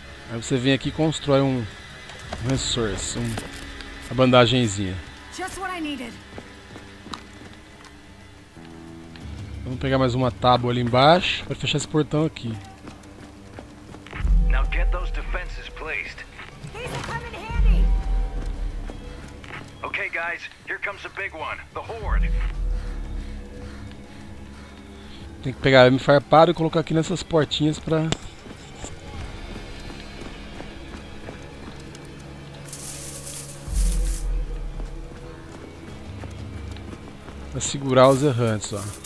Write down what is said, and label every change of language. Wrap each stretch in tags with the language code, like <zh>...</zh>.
<pt>Aí você vem aqui e constrói um resource, uma bandagenzinha. Vamos pegar mais uma tábua ali embaixo para fechar esse portão aqui.</pt> <en>Now get those defenses placed. These are coming handy. Okay, guys, here comes a big one, the horde.</en> <pt>Tem que pegar a M-Farpado e colocar aqui nessas portinhas pra... pra segurar os errantes, ó.</pt>